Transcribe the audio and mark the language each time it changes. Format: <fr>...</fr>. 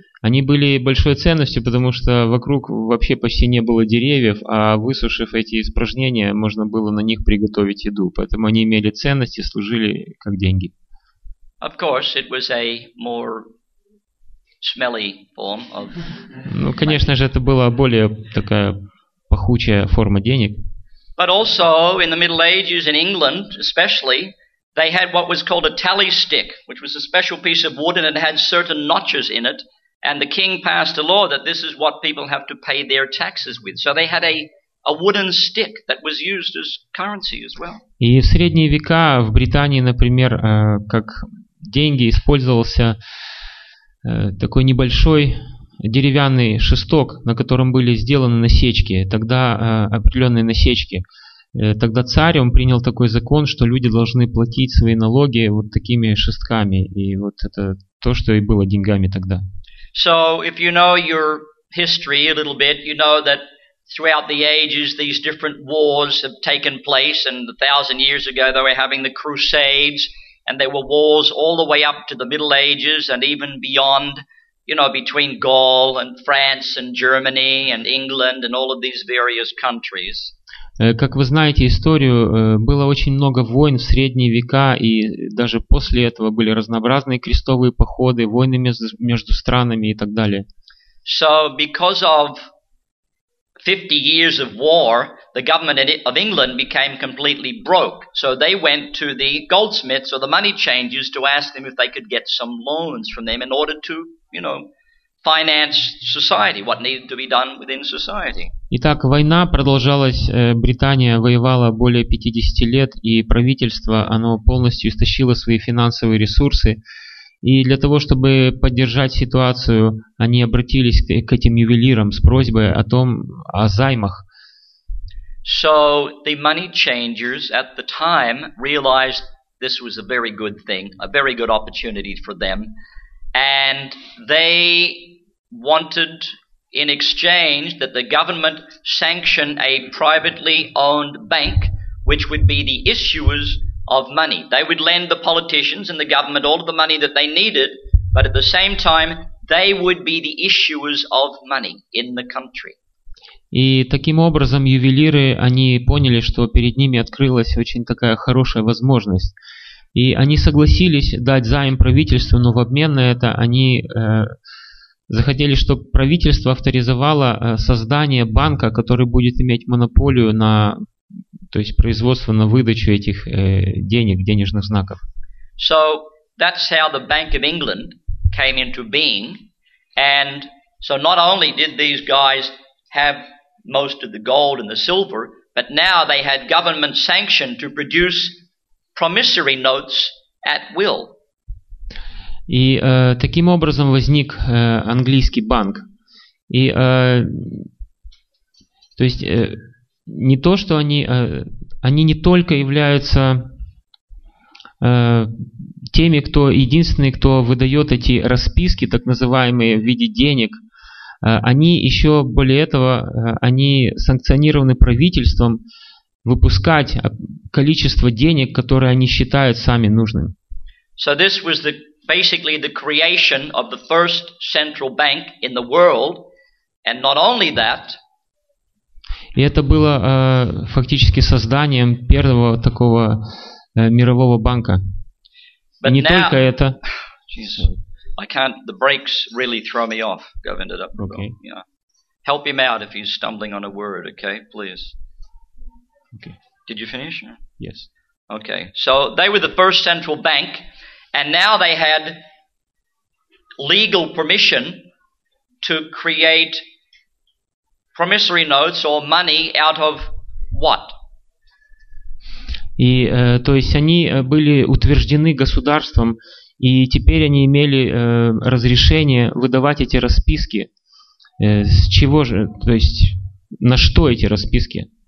<ru>Они были большой ценностью, потому что вокруг вообще почти не было деревьев, а высушив эти испражнения, можно было на них приготовить еду. Поэтому они имели ценность и служили как деньги.</ru> <en>Of course, it was a more smelly form of.</en> <ru>Ну, конечно же, это была более такая пахучая форма денег.</ru> <en>But also in the Middle Ages in England, especially, they had what was called a tally stick, which was a special piece of wood and it had certain notches in it. And the king passed a law that this is what people have to pay their taxes with. So they had a wooden stick that was used as currency as well.</en> <ru>И в средние века в Британии, например, как деньги использовался такой небольшой деревянный шесток, на котором были сделаны насечки, тогда определенные насечки. Тогда царь, он принял такой закон, что люди должны платить свои налоги вот такими шестками. И вот это то, что и было деньгами тогда.</ru> <en>So, if you know your history a little bit, you know that throughout the ages these different wars have taken place, and 1,000 years ago they were having the Crusades, and there were wars all the way up to the Middle Ages and even beyond, you know, between Gaul and France and Germany and England and all of these various countries.</en> <ru>Как вы знаете историю, было очень много войн в средние века, и даже после этого были разнообразные крестовые походы, войны между странами и так далее.</ru> <en>So because of 50 years of war, the government of England became completely broke. So they went to the goldsmiths or the money changers to ask them if they could get some loans from them in order to, you know, finance society, what needed to be done within society.</en> <ru>Итак, война продолжалась, Британия воевала более 50 лет, и правительство, оно полностью истощило свои финансовые ресурсы. И для того, чтобы поддержать ситуацию, они обратились к этим ювелирам с просьбой о том, о займах.</ru> <en>So the money changers at the time realized this was a very good thing, a very good opportunity for them, and they wanted in exchange that the government sanction a privately owned bank, which would be the issuers of money. They would lend the politicians and the government all of the money that they needed, but at the same time they would be the issuers of money in the country.</en> <ru>И таким образом ювелиры, они поняли, что перед ними открылась очень такая хорошая возможность. И они согласились дать займ правительству, но в обмен на это они захотели, чтобы правительство авторизовало создание банка, который будет иметь монополию на, то есть производство на выдачу этих денег, денежных знаков.</ru> <en>So that's how the Bank of England came into being. And so not only did these guys have most of the gold and the silver, but now they had government sanction to produce promissory notes at will.</en> <ru>И таким образом возник английский банк. И то есть не то, что они не только являются теми, кто единственный, кто выдает эти расписки, так называемые, в виде денег, они еще более этого, они санкционированы правительством выпускать количество денег, которые они считают сами нужным.</ru> <en>So this was the basically the creation of the first central bank in the world, and not only that.</en> <ru>И это было фактически созданием первого такого мирового банка.</ru> <en>But</en> <ru>не</ru> <en>now,</en> <ru>только это.</ru> <en>Jesus, I can't. The brakes really throw me off. Govind it up. Okay. Yeah. Help him out if he's stumbling on a word. Okay, please. Okay. Did you finish? Yes. Okay. So they were the first central bank. And now they had legal permission to create promissory notes or money out of what?</en> <ru>И то есть они были утверждены государством, и теперь они имели разрешение выдавать эти расписки. С чего же, то есть на что эти расписки?</ru>